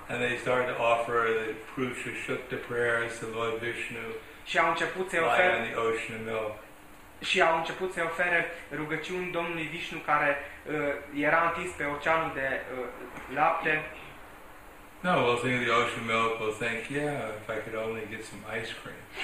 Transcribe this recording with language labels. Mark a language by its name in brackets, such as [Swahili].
[English] And they started to offer the Purusha Shukta prayers to Lord Vishnu. [Romanian] Și au început să [English] ofere in the ocean of milk. [Romanian] Și au început să ofere rugăciuni Domnului Vishnu care era întins pe oceanul de lapte. [English] No, we'll think of the ocean milk, we'll think, yeah, if I could only get some ice cream.